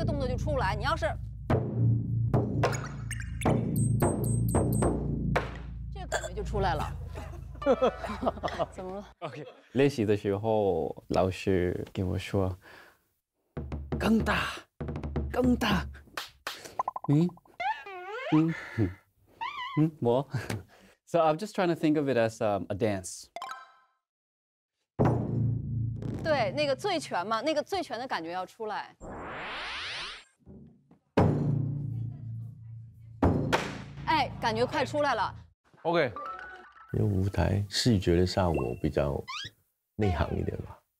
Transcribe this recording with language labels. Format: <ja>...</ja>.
<zh>就出来，你要是这个感觉就出来了。怎么了？OK， 练习的时候老师给我说，更大，更大。我。</zh> <en>So I'm just trying to think of it as a dance。</en> <zh>对，那个醉拳嘛，那个醉拳的感觉要出来。哎，感觉快出来了。 OK，因为舞台视觉的上我比较内行一点吧。</zh>